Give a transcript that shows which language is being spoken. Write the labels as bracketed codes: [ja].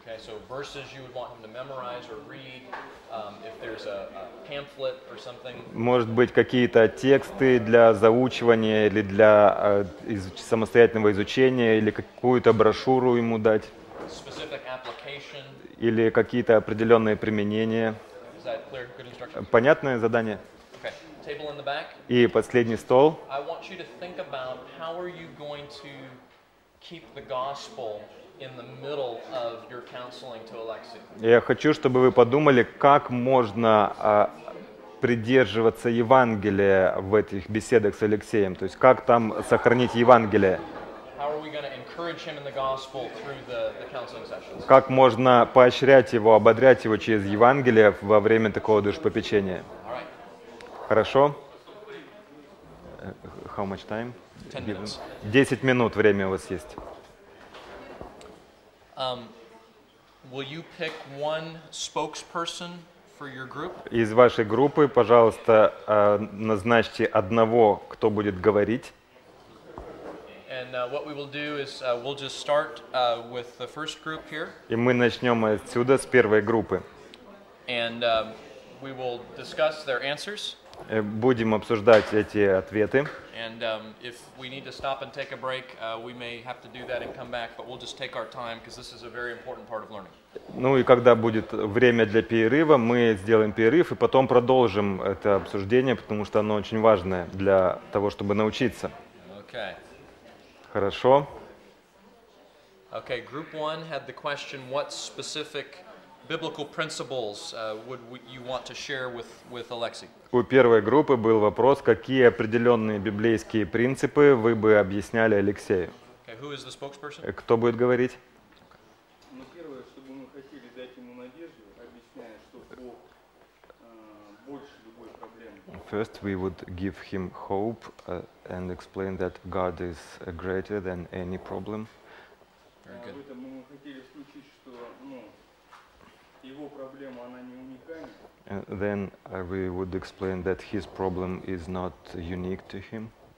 [en] So verses you would want him to memorize or read, if there's a pamphlet or something. [ru] Может быть, какие-то тексты для заучивания или для самостоятельного изучения, или какую-то брошюру ему дать. [en] Specific application. [ru] Или какие-то определенные применения. [en] Is that clear? Good instruction. [ru] Понятное задание? [en] Okay. Table in the back. [ru] И последний стол. [en] I want you to think about how are you going to keep the gospel in the middle of your counseling to Alexei. [ru] Я хочу, чтобы вы подумали, как можно придерживаться Евангелия в этих беседах с Алексеем. То есть как там сохранить Евангелие? [en] How are we going to encourage him in the gospel through the counseling sessions? [ru] Как можно поощрять его, ободрять его через Евангелие во время такого душепопечения? [en] All right. [ru] Хорошо? [en] How much time? 10 minutes. [ru] 10 минут время у вас есть. [en] Will you pick one spokesperson for your group? [ru] Из вашей группы, пожалуйста, назначьте одного, кто будет говорить. [en] And what we will do is we'll just start with the first group here. [ru] И мы начнем отсюда с первой группы. [en] And we will discuss their answers. [ru] Будем обсуждать эти ответы. [en] And if we need to stop and take a break, we may have to do that and come back, but we'll just take our time because this is a very important part of learning. [ru] Ну и когда будет время для перерыва, мы сделаем перерыв и потом продолжим это обсуждение, потому что оно очень важное для того, чтобы научиться. [en] Okay. [ru] Хорошо. [en] Okay, group 1 had the question, what specific biblical principles would you want to share with Alexei? [ru] У первой группы был вопрос, какие определенные библейские принципы вы бы объясняли Алексею. [en] Okay, who is the spokesperson? [ru] Кто будет говорить? Ну, первое, чтобы мы хотели дать ему надежду, объясняя, что Бог больше любой проблемы. [en] First, we would give him hope and explain that God is greater than any problem. Very good. [ru] Поэтому мы хотели включить, что, ну, его проблема, она не уникальна. [en] Then we would explain that his problem is not unique to him.